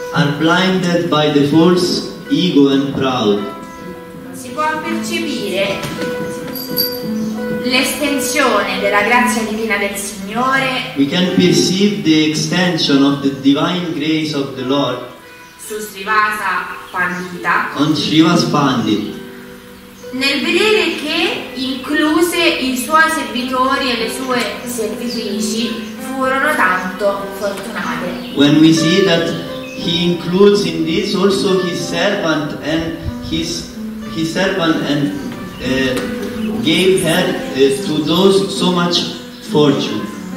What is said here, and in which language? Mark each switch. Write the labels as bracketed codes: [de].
[en] Are blinded by the false ego and proud. [it] Si può percepire l'estensione della grazia divina del Signore. [en] We can perceive the extension of the divine grace of the Lord [it] su Srivasa Pandita. [en] On Srivasa Pandita. [it] Nel vedere che incluse i suoi servitori e le sue servitrici furono tanto fortunate. [en] When we see that he includes in this also his servant and his servant and gave her to those so much fortune.